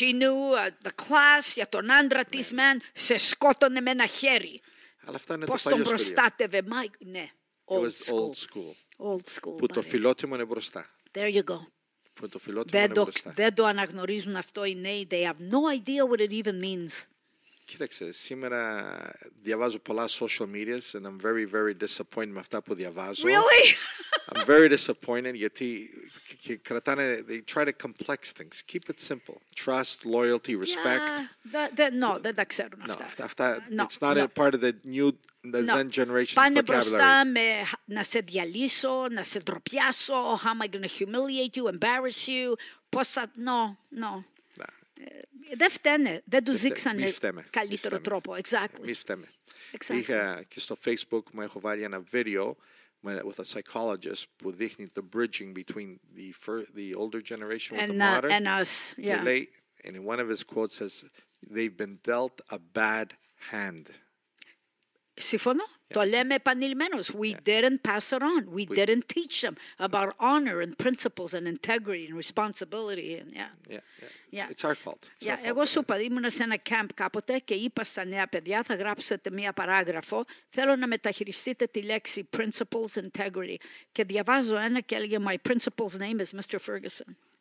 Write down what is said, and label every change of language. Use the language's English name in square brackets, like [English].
[English] She knew the class [Greek] για τον άντρα της, ναι. Man, σε σκότωνε με ένα χέρι. Αλλά αυτά είναι πώς το παλιό τον προστάτευε, Mike. Ναι. [English] It was old school. Old school, [Greek] που το φιλότιμο είναι μπροστά. [English] There you go. [Greek] Που το φιλότιμο είναι μπροστά. Δεν το αναγνωρίζουν αυτό οι νέοι. [English] They have no idea what it even means. [Greek] Κοίταξε, σήμερα διαβάζω πολλά [English] social media and I'm very, very disappointed [Greek] με αυτά που διαβάζω. [English] Really? I'm very disappointed [Greek] γιατί κρατάνε, [English] they try to complex things. Keep it simple. Trust, loyalty, respect. [Greek] Δεν τα ξέρουν αυτά. [English] It's not a part of the new... [Greek] Πάνε μπροστά με να σε διαλύσω, να σε ντροπιάσω. [English] How am I going to humiliate you, embarrass you? [Greek] Πώς θα... No. Δεν φταίνε. Δεν του δείξανε καλύτερο τρόπο. [English] Exactly. [Greek] Μη φταίμε. Είχα και στο Facebook μου έχω βάλει ένα βίντεο [English] with a psychologist [Greek] που δείχνει [English] the bridging between the older generation with the modern. And us. Yeah. And in one of his quotes says, they've been dealt a bad hand. [Greek] Συμφωνώ. Το λέμε επανειλημμένως. [English] We didn't pass it on. We didn't teach them about honor and principles and integrity and responsibility. And It's our fault. [Greek] Εγώ σου είπα, ήμουν σε ένα camp κάποτε και είπα στα νέα παιδιά, θα γράψετε μία παράγραφο. Θέλω να μεταχειριστείτε τη λέξη principles, integrity. Και διαβάζω ένα και έλεγε, [English] my principal's name is Mr. Ferguson.